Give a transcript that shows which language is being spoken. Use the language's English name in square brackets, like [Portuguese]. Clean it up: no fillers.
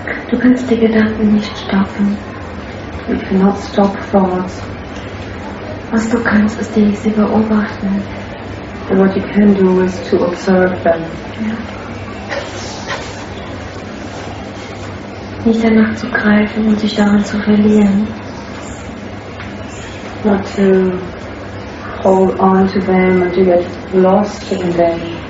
[German] Du kannst die Gedanken nicht stoppen. [English] You cannot stop thoughts. [German] Was du kannst, ist die sie beobachten. [English] And what you can do is to observe them. [German] Ja. Nicht danach zu greifen und sich daran zu verlieren. [English] Not to hold on to them and to get lost in them.